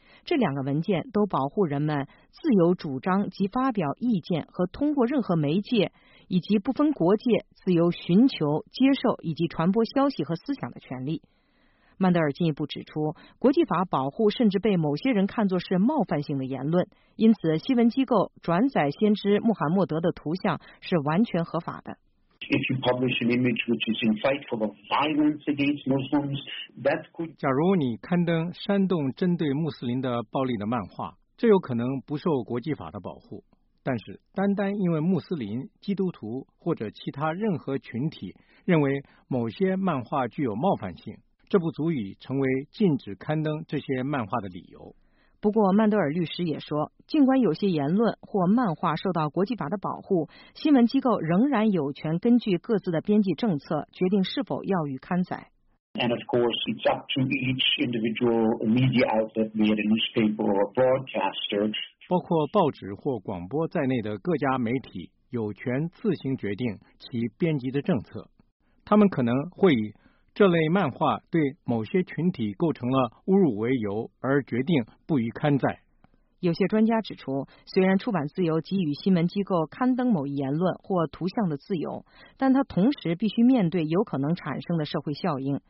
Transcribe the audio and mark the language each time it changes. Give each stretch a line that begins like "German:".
Chinese: 这两个文件都保护人们自由主张及发表意见和通过任何媒介以及不分国界自由寻求、接受以及传播消息和思想的权利。曼德尔进一步指出，国际法保护甚至被某些人看作是冒犯性的言论，因此新闻机构转载先知穆罕默德的图像是完全合法的。
English: If you publish an image which is incitement of violence against Muslims, that could
Chinese: 假如你刊登煽动针对穆斯林的暴力的漫画，这有可能不受国际法的保护。但是，单单因为穆斯林、基督徒或者其他任何群体认为某些漫画具有冒犯性，这不足以成为禁止刊登这些漫画的理由。不过曼德尔律师也说，尽管有些言论或漫画受到国际法的保护，新闻机构仍然有权根据各自的编辑政策决定是否要予刊载。
English: And of course, it's up to each individual media outlet, be it a newspaper or a broadcaster.
Chinese: 包括报纸或广播在内的各家媒体有权自行决定其编辑的政策。他们可能会以这类漫画对某些群体构成了侮辱为由而决定不予刊载。有些专家指出，虽然出版自由给予新闻机构刊登某一言论或图像的自由，但它同时必须面对有可能产生的社会效应。